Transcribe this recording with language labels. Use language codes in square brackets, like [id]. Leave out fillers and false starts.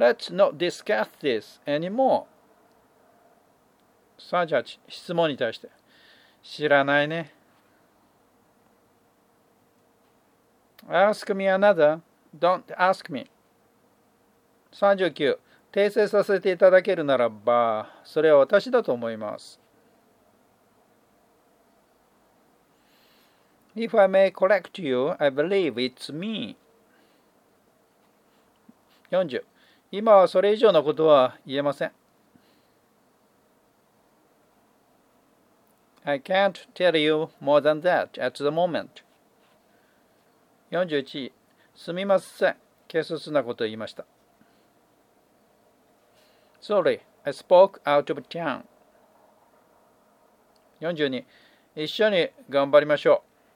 [en] Let's not discuss this anymore. 38、 [ja] 質問に対して。知らないね。 [en] Ask me another. Don't ask me. [ja] 39、訂正させていただけるならば、それは私だと思います。 [en] If I may correct you, I believe it's me. 40. [ja] 今はそれ以上のことは言えません。 [en] I can't tell you more than that at the moment. [ja] 41. すみません。軽率なことを言いました。 [en] Sorry, I spoke out of turn. 42. [ja] 一緒に頑張りましょう。